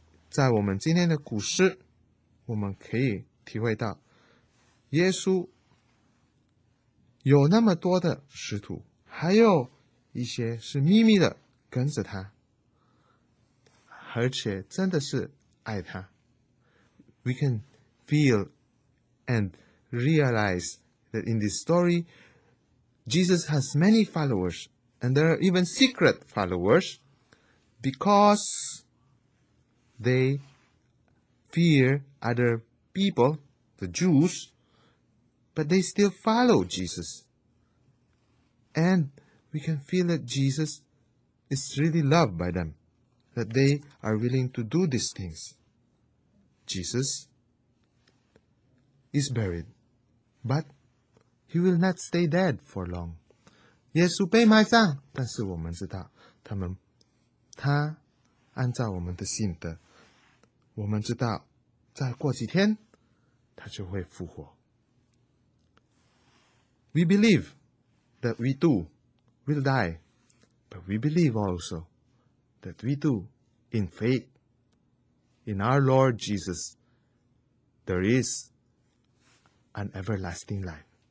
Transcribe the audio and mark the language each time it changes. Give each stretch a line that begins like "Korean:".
Chinese: 在我们今天的故事，我们可以体会到耶稣。有那么多的使徒，还有一些是秘密的跟着他，而且真的是爱他。
English: We can feel and realize that in this story, Jesus has many followers, and there are even secret followers, because they fear other people, the Jews, but they still follow Jesus. And we can feel that Jesus is really loved by them, that they are willing to do these things. Jesus is buried, but he will not stay dead for long.
Chinese: 耶稣被埋葬，但是我们知道，他按照我们的信德，我们知道，再过几天，他就会复活。
English: We believe. That we too will die, but we believe also that we too, in faith, in our Lord Jesus, there is an everlasting life.